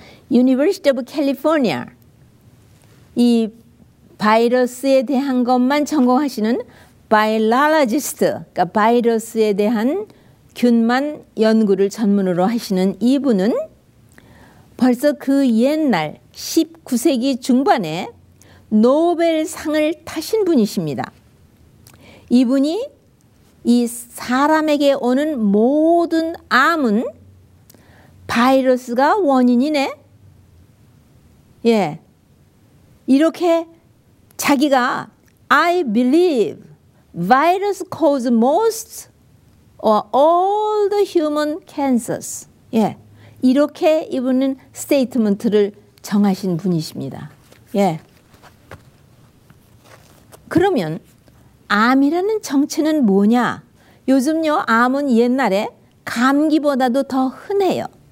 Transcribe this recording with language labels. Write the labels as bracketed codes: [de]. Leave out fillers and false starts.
[ko] 유니버시티 오브 캘리포니아 이 바이러스에 대한 것만 전공하시는 바이러로지스트, 그러니까 바이러스에 대한 균만 연구를 전문으로 하시는 이분은 벌써 그 옛날 19세기 중반에 노벨상을 타신 분이십니다. 이분이 이 사람에게 오는 모든 암은 바이러스가 원인이네. 예, 이렇게 자기가 [en] I believe virus causes most or all the human cancers. [ko] 예, 이렇게 이분은 스테이트먼트를 정하신 분이십니다. 예. 그러면 암이라는 정체는 뭐냐? 요즘요 암은 옛날에 감기보다도 더 흔해요.